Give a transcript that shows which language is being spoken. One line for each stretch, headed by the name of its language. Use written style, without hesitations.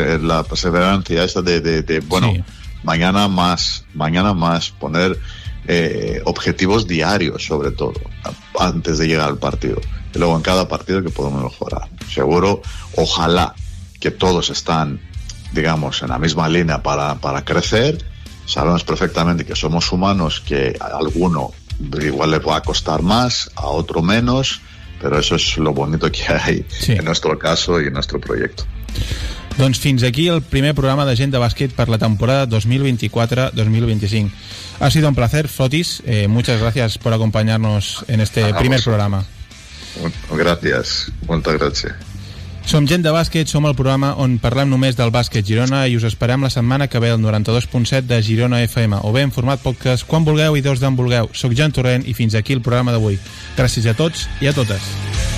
Spanish: La perseverancia esta de bueno, mañana más, poner objetivos diarios, sobre todo, antes de llegar al partido. Y luego en cada partido que podemos mejorar. Seguro, ojalá que todos están, digamos, en la misma línea para crecer. Sabemos perfectamente que somos humanos, que a alguno igual le va a costar más, a otro menos.
Catalan: Però això és
Spanish: lo bonito
Catalan: que hi ha en nostre cas i en nostre projecte. Doncs fins aquí el primer programa de Gent de Bàsquet per la temporada 2024-2025.
Spanish: Ha sido un placer, Fotis. Muchas gracias por acompañarnos en este primer programa.
Catalan: Gràcies. Molta gràcies. Som Gent de Bàsquet, som el programa on parlem només del bàsquet Girona i us esperem la setmana que ve al 92.7 de Girona FM o bé en format podcast quan vulgueu i d'on vulgueu. Soc Jan Torrent i fins aquí el programa d'avui. Gràcies a tots i a totes.